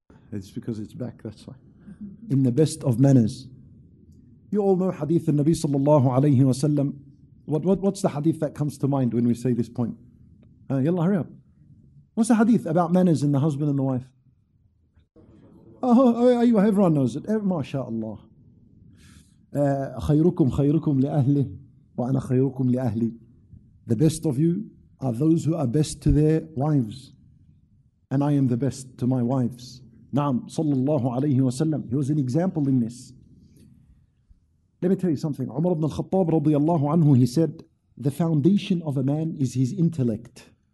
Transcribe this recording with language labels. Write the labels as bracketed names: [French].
[English] It's because it's back, that's why. In the best of manners. You all know hadith of Nabi sallallahu alayhi wa sallam. What's the hadith that comes to mind when we say this point? Yalla, hurry up. What's the hadith about manners in the husband and the wife? Oh, everyone knows it. MashaAllah. [Arabic] خيركم خيركم لأهله وأنا خيركم لأهلي. [English] The best of you are those who are best to their wives. And I am the best to my wives. [Arabic] نعم صلى الله عليه وسلم. [English] He was an example in this. Let me tell you something. Umar ibn al-Khattab [Arabic] رضي الله عنه, [English] he said, the foundation of a man is his intellect.